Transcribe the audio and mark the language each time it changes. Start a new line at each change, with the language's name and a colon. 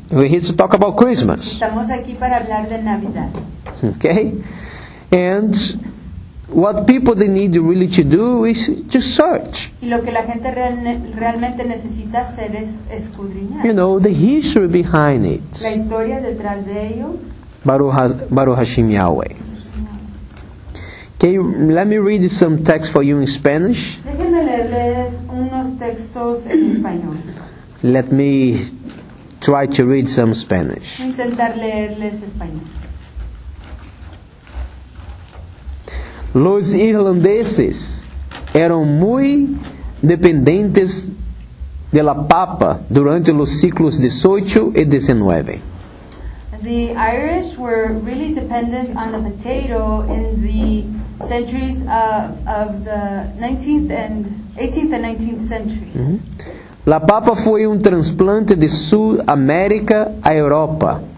English: We're here to talk about Christmas.
Spanish: Estamos aquí para hablar de Navidad.
English: Okay? And what people they need really to do is to search.
Spanish: Y lo que la gente realmente necesita hacer es escudriñar.
English: You know, the history behind it.
Spanish: La historia detrás de ello.
Hebrew: Baruch Hashem Yahweh.
English: Okay, let me read some text for you in Spanish.
Spanish: Déjenme leerles unos textos en español.
English: Let me try to read some Spanish.
Spanish: Intentar leerles español. Los irlandeses eran muy dependientes de la papa durante los siglos 18 y 19.
English: The Irish were really dependent on the potato in the centuries of the 19th and 18th and 19th centuries. Mm-hmm.
Spanish: La papa fue un trasplante de Sudamérica a Europa.